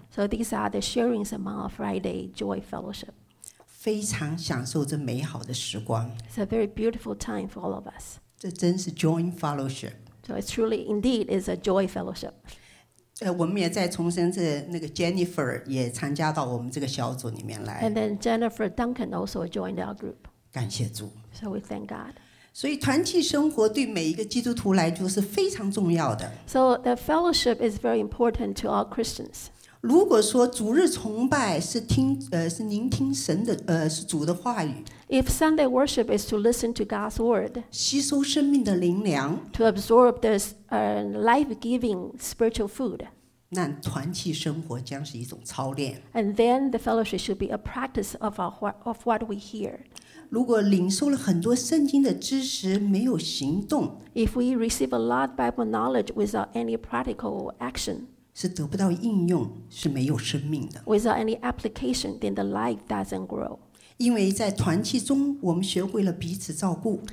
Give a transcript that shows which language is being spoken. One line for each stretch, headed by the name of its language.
English: So these are the sharings among our Friday Joy Fellowship.
Chinese: 非常享受这美好的时光。
English: It's a very beautiful time for all of us.
Chinese: 这真是 Joy Fellowship.
English: So it's truly indeed is a Joy Fellowship.
Chinese: 我们也在重申那个 Jennifer 也参加到我们这个小组里面来。
English: And then Jennifer Duncan also joined our group.
Chinese: 感谢主。
English: So we thank God.
Chinese: 所以团契生活对每一个基督徒来说是非常重要的。
English: So the fellowship is very important to all Christians.
Chinese: 如果说主日崇拜是听是聆听神的是主的话语。
English: If Sunday worship is to listen to God's word.
Chinese: 吸收生命的灵粮。
English: To absorb this life-giving spiritual food.
Chinese: 那团契生活将是一种操练。
English: And then the fellowship should be a practice of what we hear.
Chinese: 如果领受了很多圣经的知识没有行动
English: ，If we receive a lot of Bible knowledge without any practical action，
Chinese: 是得不到应用，是没有生命的。
English: Without any application, then the life doesn't grow。
Chinese: 因为在团契中，我们学会了彼此照顾